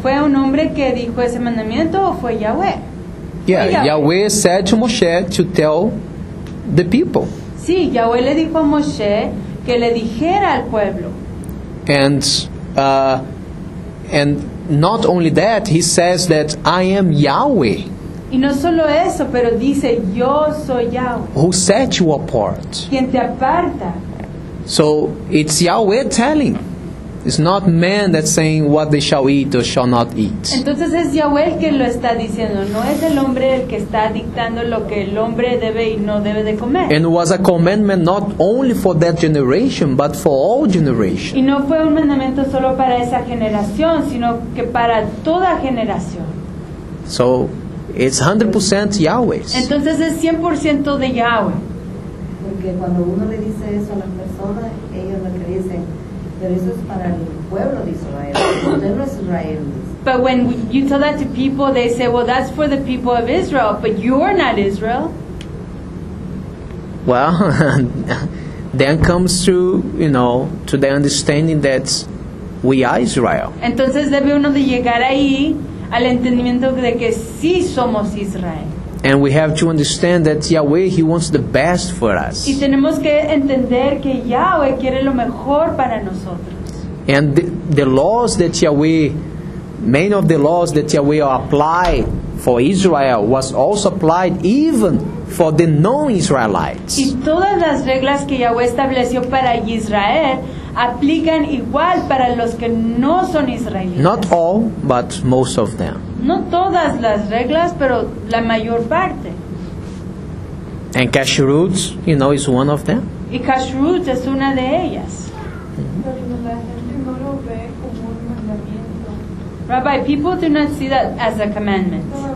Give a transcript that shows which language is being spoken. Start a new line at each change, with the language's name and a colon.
Spanish: ¿Fue un hombre que dijo ese mandamiento o fue Yahweh? Yeah, fue Yahweh.
English: Yahweh said to Moshe to tell the people.
Spanish: Sí, Yahweh le dijo a Moshe que le dijera al pueblo.
English: And not only that, he says that I am Yahweh.
Spanish: Y no solo eso, pero dice yo soy Yahweh.
English: Who set you apart?
Spanish: Quien te aparta.
English: So it's Yahweh telling. It's not man that's saying what they shall eat or shall not eat.
Spanish: Entonces es Yahweh el que lo está diciendo. No es el hombre el que está dictando lo que el hombre debe y no debe de comer.
English: And it was a commandment not only for that generation, but for all generations.
Spanish: Y no fue un mandamiento solo para esa generación, sino que para toda generación.
English: So, it's 100% Yahweh's.
Spanish: Entonces es 100% de Yahweh. Porque cuando uno le dice eso a las personas, ellos lo que dicen...
English: But when you tell that to people, they say, well, that's for the people of Israel, but you're not Israel. Well, then comes to, you know, to the understanding that we are Israel.
Spanish: Entonces debe uno de llegar ahí al entendimiento de que sí somos Israel.
English: And we have to understand that Yahweh, He wants the best for us.
Spanish: Y tenemos que entender que Yahweh quiere lo mejor para nosotros.
English: And the laws that Yahweh, many of the laws that Yahweh applied for Israel was also applied even for the non-Israelites.
Spanish: Y todas las reglas que Yahweh estableció para Israel aplican igual para los que no son israelitas.
English: Not all, but most of them.
Spanish: No todas las reglas, pero la mayor parte.
English: And kashrut, you know, is one of them.
Spanish: Y kashrut es una de ellas. Mm-hmm.
English: Rabbi, people do not see that as a commandment.